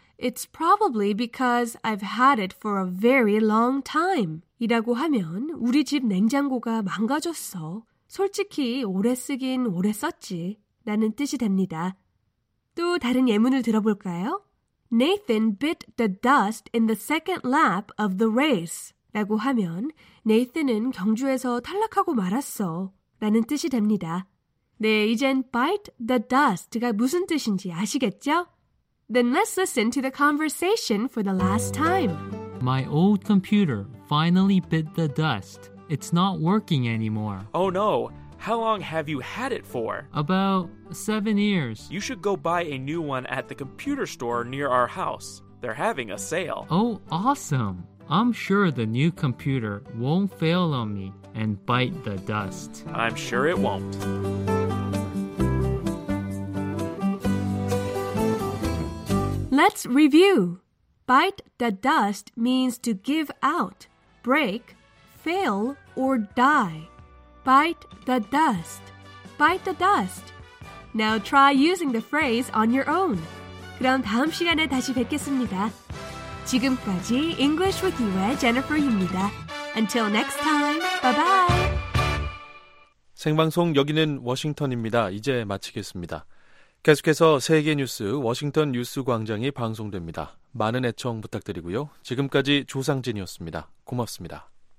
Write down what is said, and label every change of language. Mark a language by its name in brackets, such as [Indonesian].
[English] It's probably because I've had it for a very long time. [Korean] 이라고 하면 우리 집 냉장고가 망가졌어. 솔직히 오래 쓰긴 오래 썼지 라는 뜻이 됩니다. 또 다른 예문을 들어볼까요? [English] Nathan bit the dust in the second lap of the race. [Korean] 라고 하면 Nathan은 경주에서 탈락하고 말았어 라는 뜻이 됩니다. 네, 이젠 bite the dust가 무슨 뜻인지 아시겠죠? [English] Then let's listen to the conversation for the last time. My old computer finally bit the dust. It's not working anymore. Oh no! How long have you had it for? About 7 years. You should go buy a new one at the computer store near our house. They're having a sale. Oh, awesome. I'm sure the new computer won't fail on me and bite the dust. I'm sure it won't. Let's review. Bite the dust means to give out, break, fail, or die. Bite the dust. Bite the dust. Now try using the phrase on your own. [Korean] 그럼 다음 시간에 다시 뵙겠습니다. 지금까지 English with You의 Jennifer입니다. [English] Until next time, bye-bye. [Korean] 생방송 여기는 워싱턴입니다. 이제 마치겠습니다. 계속해서 세계 뉴스 워싱턴 뉴스 광장이 방송됩니다. 많은 애청 부탁드리고요. 지금까지 조상진이었습니다. 고맙습니다.